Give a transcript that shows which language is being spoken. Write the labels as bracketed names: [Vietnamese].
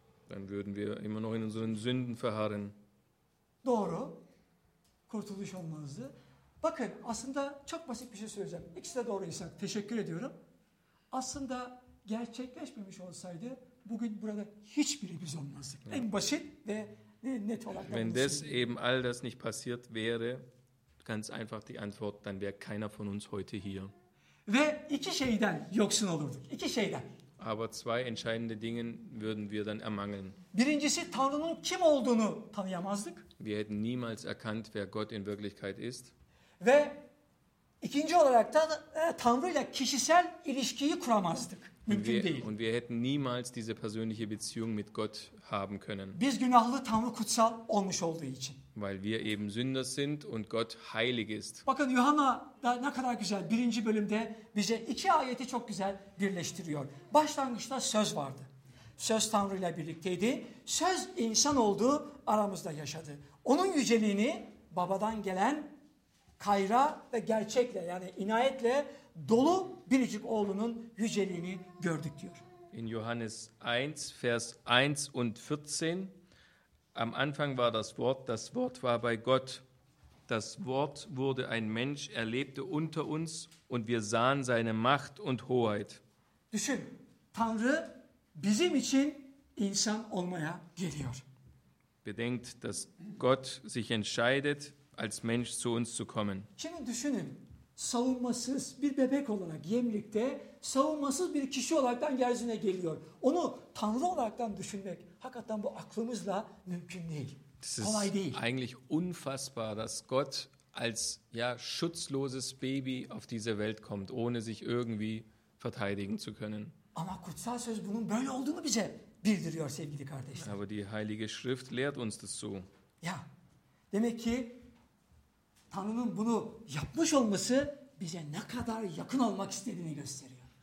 [German] Dann würden wir immer noch in unseren Sünden verharren. [Turkish] Doğru. Kurtuluş olmanızdı. Bakın, aslında çok basit bir şey söyleyeceğim. İkisi de doğruysa teşekkür ediyorum. Aslında gerçekleşmemiş olsaydı bugün burada hiçbiri biz olmazdık. Ja. En basit ve net olarak. [German] Wenn das eben all das nicht passiert wäre, ganz einfach die Antwort, dann wäre keiner von uns heute hier. [Turkish] Ve iki şeyden yoksun olurduk. İki şeyden. [German] Aber zwei entscheidende Dinge würden wir dann ermangeln. [Turkish] Birincisi Tanrı'nın kim olduğunu tanıyamazdık. [German] Wir hätten niemals erkannt, wer Gott in Wirklichkeit ist. [Turkish] Ve ikinci olarak da Tanrı'yla kişisel ilişkiyi kuramazdık. Mümkün değil. [German] Und wir hätten niemals diese persönliche Beziehung mit Gott haben können. [Turkish] Biz günahlı Tanrı kutsal olmuş olduğu için. [German] Weil wir eben Sünder sind und Gott heilig ist. [Turkish] Bakın Yuhanna da ne kadar güzel. Birinci bölümde bize iki ayeti çok güzel birleştiriyor. Başlangıçta söz vardı. Söz Tanrı'yla birlikteydi. Söz insan oldu, aramızda yaşadı. Onun yüceliğini babadan gelen kayra ve gerçekle yani inayetle dolu biricik oğlunun yüceliğini gördük diyor. [German] In Johannes 1 Vers 1 und 14 Am Anfang war das Wort war bei Gott. Das Wort wurde ein Mensch, er lebte unter uns und wir sahen seine Macht und Hoheit. [Turkish] Düşün, Tanrı bizim için insan olmaya geliyor. [German] Bedenkt, dass Gott sich entscheidet, als Mensch zu uns zu kommen. [Turkish] Şimdi düşünün, savunmasız bir bebek olarak yemlikte, savunmasız bir kişi olaraktan yeryüzüne geliyor. Onu Tanrı olaraktan düşünmek hakikaten bu aklımızla mümkün değil. [German] Das ist [Turkish] kolay değil. [German] Eigentlich unfassbar, dass Gott als ja schutzloses Baby auf diese Welt kommt, ohne sich irgendwie verteidigen zu können. [Turkish] Ama kutsal söz bunun böyle olduğunu bize bildiriyor sevgili kardeşler. [German] Aber die heilige Schrift lehrt uns das so. [Turkish] Ya. Demek ki Tanrı'nın bunu yapmış olması bize ne kadar yakın olmak istediğini gösteriyor.